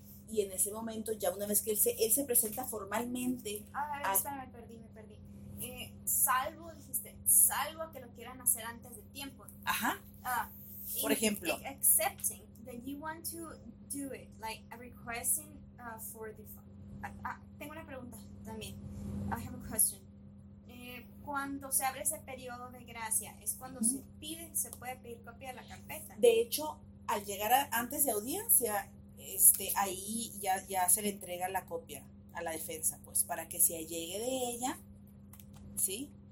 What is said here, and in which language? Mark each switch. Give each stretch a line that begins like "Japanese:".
Spanish: Y en ese momento, ya una vez que él se presenta formalmente... Me perdí. Salvo que lo quieran hacer antes de tiempo. Ajá. Por ejemplo.
English: Accepting that you want to do it, like a requesting for the...
Spanish: tengo una pregunta también.
English: I have a question.
Spanish: Cuando se abre ese periodo de gracia, ¿es cuando se puede pedir copia de la carpeta? De hecho, al llegar antes de audiencia... ahí ya se le entrega la copia a la defensa, pues, para que se allegue de ella, ¿sí?